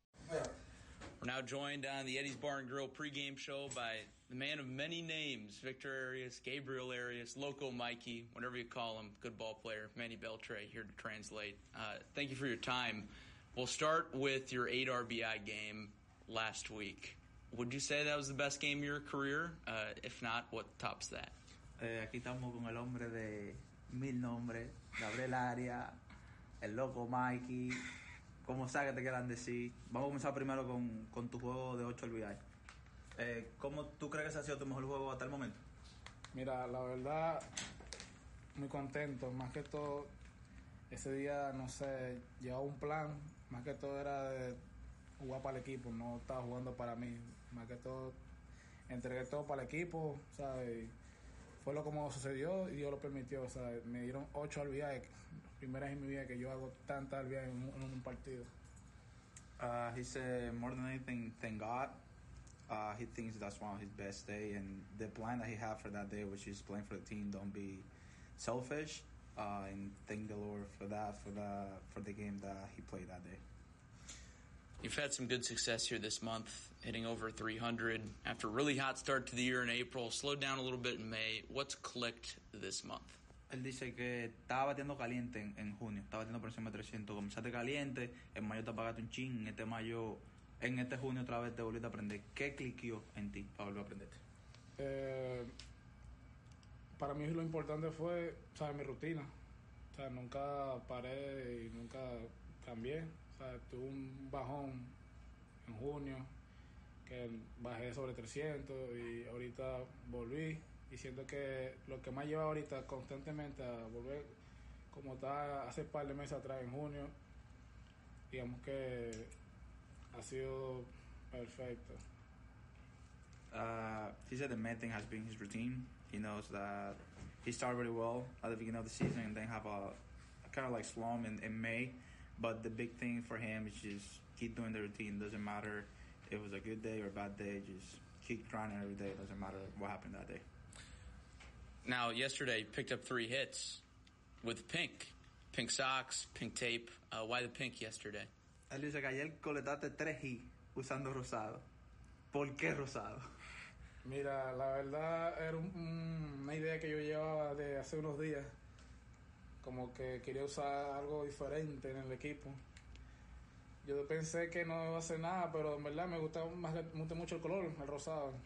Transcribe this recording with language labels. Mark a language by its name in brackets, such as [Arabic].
[English] We're now joined on the Eddie's Bar and Grill pregame show by the man of many names, Victor Arias, Gabriel Arias, Loco Mikey, whatever you call him, good ball player, Manny Beltre here to translate. Thank you for your time. We'll start with your 8 RBI game last week. Would you say that was the best game of your career? If not, what tops that? [Spanish] Aquí estamos con el hombre de... mil nombres, Gabriel Arias, el Loco Mikey, como sea que te quieran decir. Vamos a comenzar primero con tu juego de 8 RBI. ¿Cómo tú crees que ese ha sido tu mejor juego hasta el momento? Mira, la verdad, muy contento. Más que todo, ese día, no sé, llevaba un plan. Más que todo era de jugar para el equipo, no estaba jugando para mí. Más que todo, entregué todo para el equipo, ¿sabes? Fue lo como sucedió y Dios lo permitió. O sea, me dieron 8 RBI, primeras en mi vida que yo hago tantas RBI en un partido. [English] He said, more than anything, thank God. He thinks that's one of his best days. And the plan that he had for that day, which is playing for the team, don't be selfish. And thank the Lord for the game that he played that day. You've had some good success here this month, hitting over 300 after a really hot start to the year in April. Slowed down a little bit in May. What's clicked this month? [Spanish] Él dice que estaba batiendo caliente en junio. Estaba batiendo por encima de 300. Comenzaste caliente. En mayo te apagaste un chin. En este junio otra vez te volviste a aprender. ¿Qué cliqueó en ti para volver a aprenderte? Para mí lo importante fue, ¿sabes? Mi rutina. O sea, nunca paré y nunca cambié. Tuve un bajón en junio, que bajé sobre 300 y ahorita volví. Y siento que lo que me ha llevado ahorita constantemente a volver, como estaba hace par de meses atrás en junio, digamos que ha sido perfecto. [English] He said the main thing has been his routine. He knows that he started really well at the beginning of the season and then have a kind of like slump in May. But the big thing for him is just keep doing the routine. Doesn't matter if it was a good day or a bad day. Just keep grinding every day. Doesn't matter what happened that day. Now, yesterday, you picked up 3 hits with pink. Pink socks, pink tape. Why the pink yesterday? [Spanish] Él dice que ayer coletaste 3 hits usando rosado. ¿Por qué rosado? Mira, la verdad era una idea que yo llevaba de hace unos días. Como que quería usar algo diferente en el equipo. Yo pensé que no iba a hacer nada, pero en verdad me gusta mucho el color, el rosado.